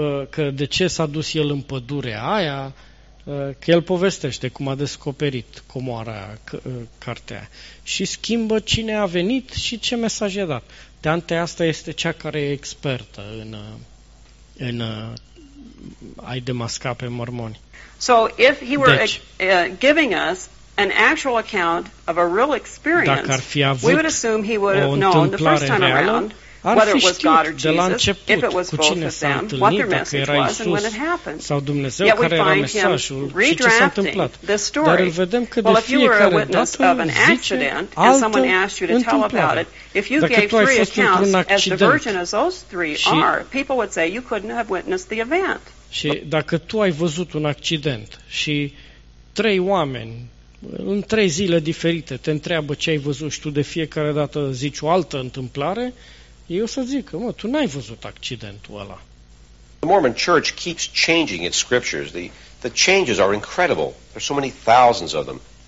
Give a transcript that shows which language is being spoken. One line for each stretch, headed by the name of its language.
Romanian: Că de ce s-a dus el în pădurea aia. Că el povestește cum a descoperit comoara, cartea și schimbă cine a venit și ce mesaj i-a dat. Dante, asta este cea care e expertă în a-i demasca pe mormoni.
English: So if he were giving us an actual account of a real experience, we would assume he would have known the first time around
Romanian: ar fi știut de la început cu cine s-a întâlnit, dacă era Iisus sau Dumnezeu, care era mesajul și ce s-a întâmplat. Dar îl vedem că de fiecare dată zice altă întâmplare. Dacă tu ai fost într-un accident și dacă tu ai văzut un accident și trei oameni în trei zile diferite te întreabă ce ai văzut și tu de fiecare dată zici o altă întâmplare, eu să zic că, mă, tu n-ai văzut accidentul ăla.
English: The Mormon Church keeps changing its scriptures. The changes are incredible. There's so many thousands of them.